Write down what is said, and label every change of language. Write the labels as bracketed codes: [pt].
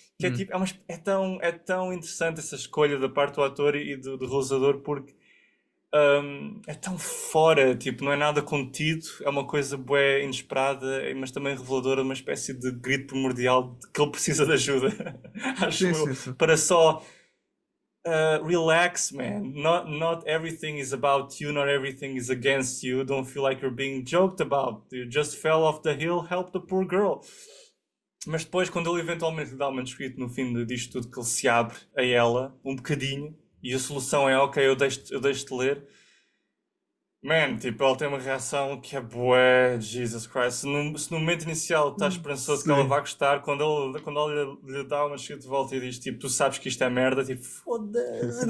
[pt] Que é tipo, é tão interessante essa escolha da parte do ator e do realizador, porque é tão fora, tipo, não é nada contido, é uma coisa bué inesperada, mas também reveladora, uma espécie de grito primordial de que ele precisa de ajuda, acho eu, para só [en] relax, man. Not everything is about you, not everything is against you. Don't feel like you're being joked about. You just fell off the hill, help the poor girl. [pt] Mas depois, quando ele eventualmente dá o manuscrito no fim disto tudo, que ele se abre a ela um bocadinho, e a solução é ok, eu deixo-te ler. Man, tipo, ela tem uma reação que é bué, [en] Jesus Christ. [pt] Se no momento inicial estás esperançoso que ela vá gostar, quando ele lhe dá uma chute de volta e diz tipo, tu sabes que isto é merda, tipo, foda-se.